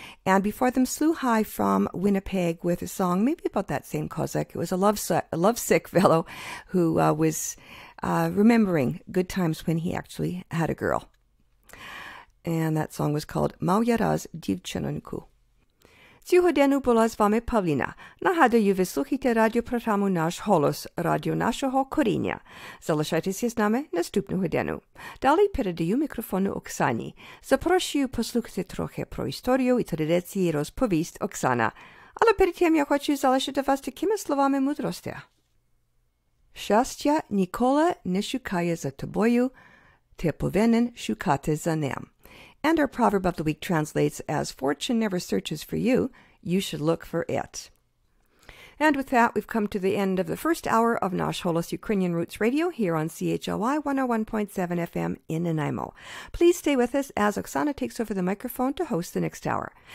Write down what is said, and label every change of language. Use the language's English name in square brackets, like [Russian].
[English] And before them, Sluhai from Winnipeg with a song maybe about that same Cossack. It was a lovesick fellow who was remembering good times when he actually had a girl. And that song was called Mauja Raz Divchenonku. [Ukrainian] Цього дня була з вами Павліна. Нагадую, ви слухаєте радіопрограму «Наш голос», радіо нашого коріння. Залишайтеся з нами наступного дня. Далі передаю мікрофон Оксані. Запрошую послухати трохи про історію і традиції розповість Оксана. Але перед тим я хочу залишити вас такими словами мудрості. Щастя ніколи не шукає за тобою, ти повинен шукати за ним. [English] And our proverb of the week translates as, fortune never searches for you, you should look for it. And with that, we've come to the end of the first hour of Nash Holos Ukrainian Roots Radio here on CHLY 101.7 FM in Nanaimo. Please stay with us as Oksana takes over the microphone to host the next hour.